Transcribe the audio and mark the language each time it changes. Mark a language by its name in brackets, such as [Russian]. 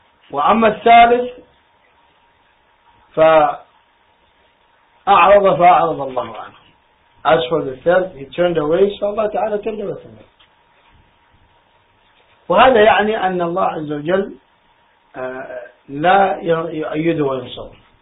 [Arabic] وأما الثالث فأعرض فأعرض الله عنه. [English] As for the third, he turned away, so Allah تعالى turned away from him. [Arabic] وهذا يعني أن الله عز وجل لا يؤيد وينصر.